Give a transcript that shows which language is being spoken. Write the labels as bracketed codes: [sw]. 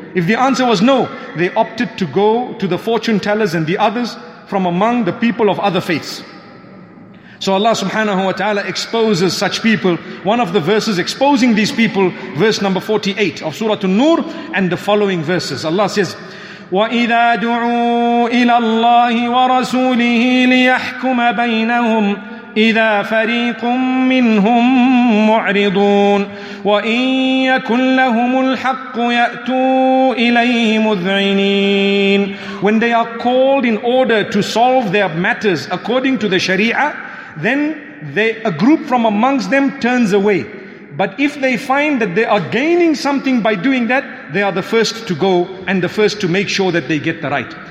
[en] If the answer was no, they opted to go to the fortune tellers and the others from among the people of other faiths. So Allah subhanahu wa ta'ala exposes such people. One of the verses exposing these people, verse number 48 of Surah An-Nur, and the following verses. Allah says, [ar] وَإِذَا دُعُوا إِلَى اللَّهِ وَرَسُولِهِ لِيَحْكُمَ بَيْنَهُمْ إِذَا فَرِيقٌ مِّنْهُمْ مُعْرِضُونَ وَإِنْ يَكُنْ لَهُمُ الْحَقُّ يَأْتُوا إِلَيْهِ مُذْعِنِينَ. [en] When they are called in order to solve their matters according to the Sharia, then a group from amongst them turns away. But if they find that they are gaining something by doing that, they are the first to go and the first to make sure that they get the right.